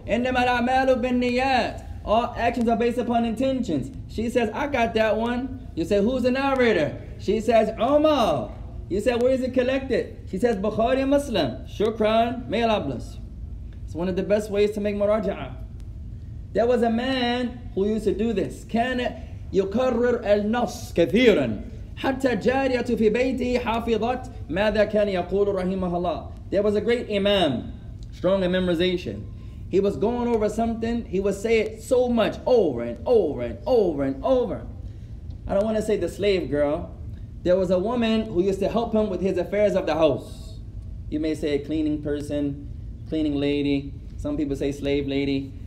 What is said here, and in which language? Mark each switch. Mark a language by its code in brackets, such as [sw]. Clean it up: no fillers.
[ar] Innama al-a'malu bin-niyyat. [en] All actions are based upon intentions. She says, I got that one. You say, who's the narrator? She says, Omar. You said, where is it collected? She says, Bukhari and Muslim. Shukran, may Allah bless you. It's one of the best ways to make muraja'a. There was a man who used to do this. [ar] كان يكرر النص كثيرا. حتى جارية في بيته حافظت ماذا كان يقول رحمه الله. [en] There was a great imam, strong in memorization. He was going over something, he would say it so much over and over and over and over. I don't want to say the slave girl. There was a woman who used to help him with his affairs of the house. You may say a cleaning person, cleaning lady. Some people say slave lady.